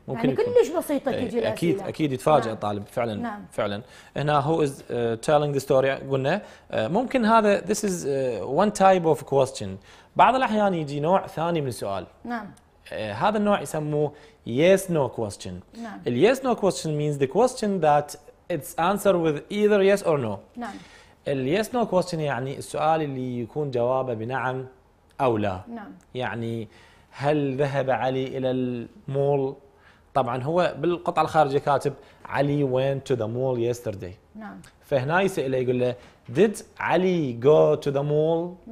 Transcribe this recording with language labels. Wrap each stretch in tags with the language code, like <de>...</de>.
<ar>يعني كلش بسيطه تجي الأسئلة. اكيد يتفاجئ نعم. الطالب فعلا نعم. فعلا هنا هو</ar> <en>is telling the story</en> <ar>قلنا ممكن هذا</ar> <en>this is one type of question</en> <ar>بعض الاحيان يجي نوع ثاني من السؤال نعم هذا النوع يسموه</ar> <en>yes no question</en> <ar>نعم.</ar> <en>ال yes no question means the question that it's answer with either yes or no</en> <ar>نعم. ال</ar> <en>yes no question</en> <ar>يعني السؤال اللي يكون جوابه بنعم أو لا نعم. يعني هل ذهب علي إلى المول طبعا هو بالقطعة الخارجية كاتب علي</ar> <en>went to the mall yesterday</en> <ar>نعم. فهنا يسأله يقول له</ar> <en>did علي go to the mall</en>